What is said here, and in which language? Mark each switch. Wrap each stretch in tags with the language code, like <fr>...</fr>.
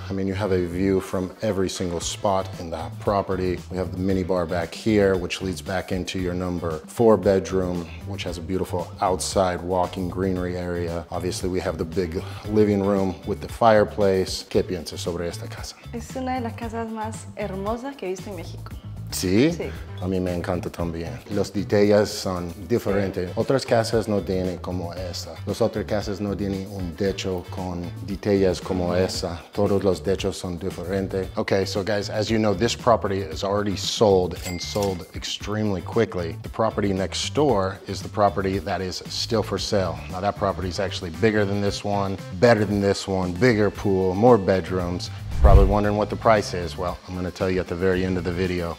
<en>I mean, you have a view from every single spot in that property. We have the mini bar back here, which leads back into your number 4 bedroom, which has a beautiful outside walking greenery area. Obviously, we have the big living room with the fireplace.</en> <es>¿Qué piensas sobre esta casa? Es una de las casas más hermosas que he visto en México. Sí? Sí. A mí me encanta también. Los detalles son diferentes. Otras casas no tienen como esa. Las otras casas no tienen un techo con detalles como esa. Todos los techos son diferentes.</es> <en>Okay, so guys, as you know, this property is already sold and sold extremely quickly. The property next door is the property that is still for sale. Now that property is actually bigger than this one, better than this one, bigger pool, more bedrooms. Probably wondering what the price is. Well, I'm gonna tell you at the very end of the video.</en>